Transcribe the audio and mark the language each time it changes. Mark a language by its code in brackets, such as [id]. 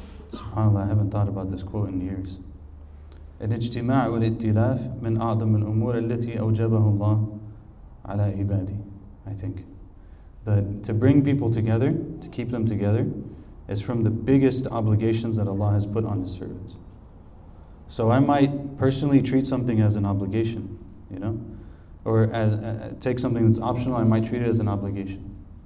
[en] SubhanAllah, I haven't thought about this quote in years. [ar] الاجتماع والاتلاف من أعظم الأمور التي أوجبه الله على عبادي. [en] I think. That to bring people together, to keep them together, is from the biggest obligations that Allah has put on His servants. So I might personally treat something as an obligation, you know, or as take something that's optional, I might treat it as an obligation.